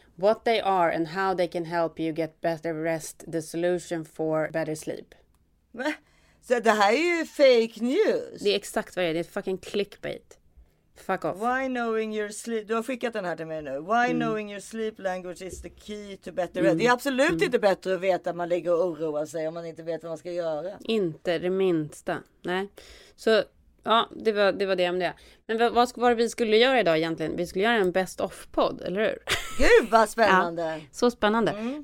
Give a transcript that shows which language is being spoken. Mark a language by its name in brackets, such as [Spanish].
[English] What they are and how they can help you get better rest. The solution for better sleep. [Swedish] Men, så det här är ju fake news. Det är exakt vad det är. Det är fucking clickbait. [English] Fuck off. Why knowing your sleep... [Swedish] Du har skickat den här till mig nu. [English] Why knowing your sleep language is the key to better... [Swedish] Det är absolut inte bättre att veta att man ligger och oroar sig om man inte vet vad man ska göra. Inte det minsta. Nej. Så, ja, det var det om det. Men vad vi skulle göra idag egentligen? Vi skulle göra en best of-podd, eller hur? Gud, vad spännande! Ja, så spännande. Mm.